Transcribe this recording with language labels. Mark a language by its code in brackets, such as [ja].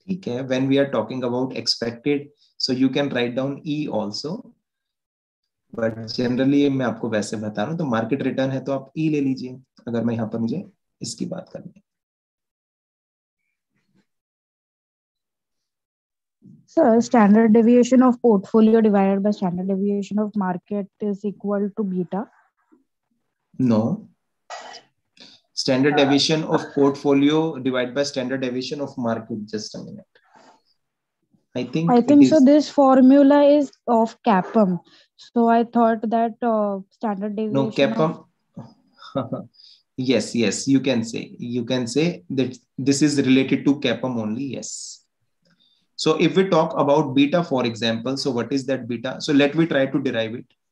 [en] Okay, when we are talking about expected, so you can write down E also. [hi] But generally मैं आपको वैसे बता रहा हूँ तो मार्केट रिटर्न है तो आप ई ले लीजिए अगर मैं यहाँ पर मुझे इसकी बात करनी [en] Sir standard deviation of portfolio divided by standard deviation of market is equal to beta no standard deviation of portfolio divided by standard deviation of market just a minute I think so. This formula is of CAPM. So I thought that standard deviation. No, CAPM. Yes, yes, you can say. You can say that this is related to CAPM only. Yes. So if we talk about beta, for example, so what is that beta? So let me try to derive it.